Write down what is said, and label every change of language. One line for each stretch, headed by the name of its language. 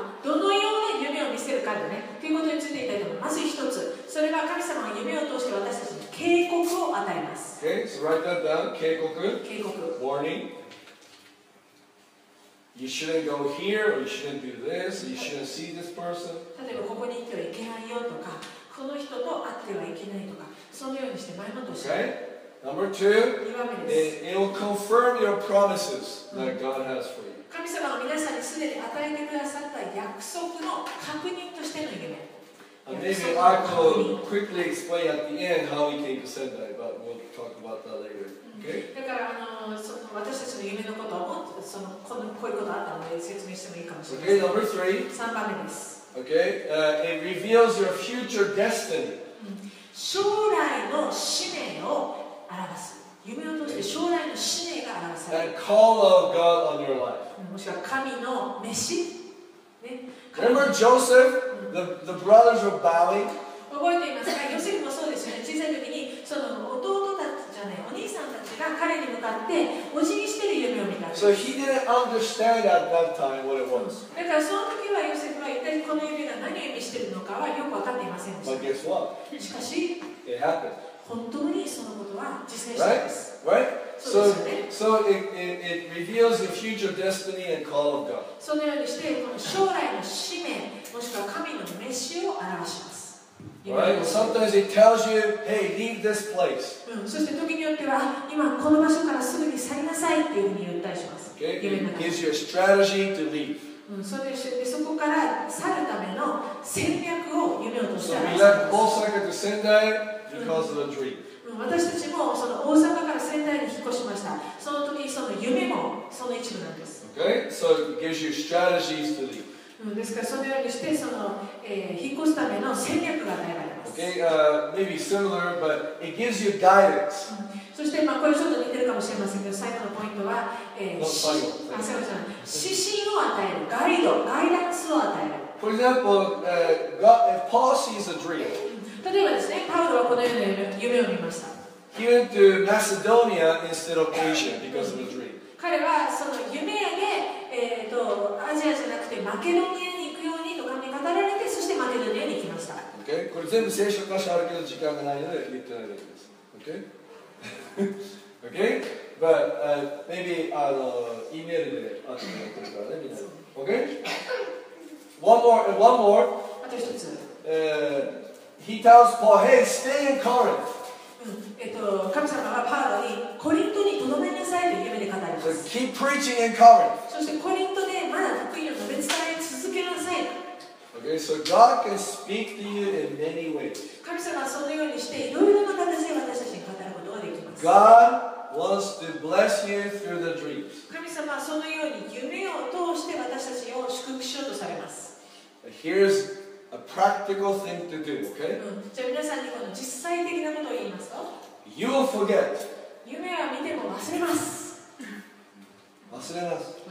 Japanese: どのように夢を見せるかでね、ということについて言いたいと思います。まず一つ、それは神様が夢を通して私たちに警告を与えます。
English: Okay, so write that down.
Japanese: 警告。警告。
English: Warning. You shouldn't go here, or you shouldn't do this, you shouldn't see this person.
Japanese: 例えばここに行ってはいけないよとか、この人と会ってはいけないとか、そのようにして前もとして。
English: Okay. Number two.
Japanese: 二番目です。
English: It will confirm your promises that God has for you.
Japanese: 神様が皆さんにすでに与えてくださった約束の確認としての夢。
English: Maybe I could quickly explain at the end how we came to Sendai, but we'll talk about that later. Okay.
Japanese: だからその私たちの夢のことをそのこのこういうことあったので説明してもいいかもしれません。
English: Okay, number three.
Japanese: 三番目です。
English: Okay, it reveals your future destiny.
Japanese: 将来の使命を表す。夢を通して将来の使命が表される。
English: And call of God on your life.
Japanese: もしくは神の召し。
English: Remember Joseph, the brothers were bowing.
Japanese: 覚えていますか？ヨセフもそうですよね。小さい時にその弟たちじゃない、お兄さんたちが彼に向かってお辞儀してる夢を見たんです。
English: So he didn't understand at that time what it was.
Japanese: だからその時はヨセフは一体この夢が何を意味しているのかはよく分かっていませんでした。
English: But guess what?
Japanese: しかし、
English: it happened.
Japanese: 本当にそのことは実現したんです。
English: Right? So, so it reveals the future destiny and call of God.
Japanese: そのようにして、この将来の使命、もしくは神の召しを表します。
English: Right? Sometimes it tells you, hey, leave this place.
Japanese: そして時によっては、今この場所からすぐに去りなさいっていうふうに言ったりします。
English: Okay? It gives you a strategy to leave.
Japanese: そこから去るための戦略を夢を通して
English: So we left Osaka to Sendai because of a dream.
Japanese: 私たちもその大阪から仙台に引っ越しました。その時にその夢もその一部なんです。
English: Okay, so it gives you strategies to leave.
Japanese: ですからそのようにしてその、引っ越すための戦略が与えられます。
English: Okay, maybe similar, but it gives you guidance.
Japanese: そしてまあこれちょっと似てるかもしれませんけど、最後のポイントは、指針を与える、ガイド、ガイダンスを与える。
English: For example, God, if Paul sees a dream.
Japanese: 例えばですね、パウロはこのような夢を見ました。
English: He went to Macedonia instead of Asia because of a dream.
Japanese: 彼はその夢で、アジアじゃなくてマケドニアに行くようにと神に語られて、そしてマケドニアに行きました。
English: Okay, Okay?
Japanese: これ全部聖書箇所あるけど時間がないので言ってないだけです。
English: Okay? Okay? But maybe
Japanese: E メールで送ってもらってからね、みんな。
English: Okay? One more.
Japanese: あと一つ。
English: He tells Paul, hey, stay in Corinth.
Japanese: 神様がパウロにコリントに留めなさいという夢で語ります。
English: So keep preaching in Corinth.
Japanese: そしてコリントでまだ福音を述べ伝え続けなさい。
English: Okay, so God can speak to you in many ways.
Japanese: 神様はそのようにしていろいろな形で私たちに語ることができます。
English: God wants to bless you through the dreams.
Japanese: 神様はそのように夢を通して私たちを祝福しようとされます。
English: Here's a practical thing to do, okay?
Japanese: じゃあ皆さんにこの実際的なことを言いますと。
English: You will forget.
Japanese: 夢は見ても忘れます。忘れます。